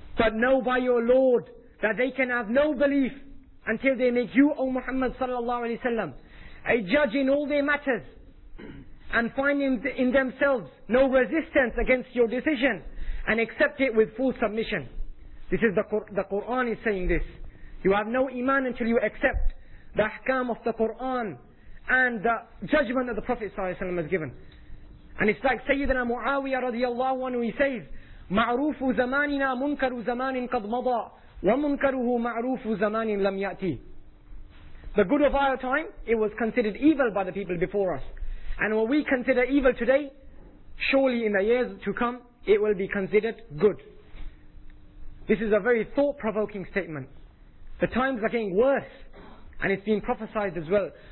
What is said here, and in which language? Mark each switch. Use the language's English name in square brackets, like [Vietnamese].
[English] But know by your Lord that they can have no belief until they make you, O Muhammad sallallahu alayhi wa sallam, a judge in all their matters, and find in themselves no resistance against your decision, and accept it with full submission. This is the Qur'an is saying this. You have no iman until you accept the ahkam of the Qur'an, and the judgment that the Prophet sallallahu alayhi wa sallam has given. And it's like Sayyidina Muawiyah radiallahu anhu, he says, [Arabic] مَعْرُوفُ زَمَانِنَا مُنْكَرُ زَمَانٍ قَدْ مَضَى وَمُنْكَرُهُ مَعْرُوفُ زَمَانٍ لَمْ يَأْتِي. [English] The good of our time, it was considered evil by the people before us. And what we consider evil today, surely in the years to come, it will be considered good. This is a very thought-provoking statement. The times are getting worse, and it's being prophesied as well.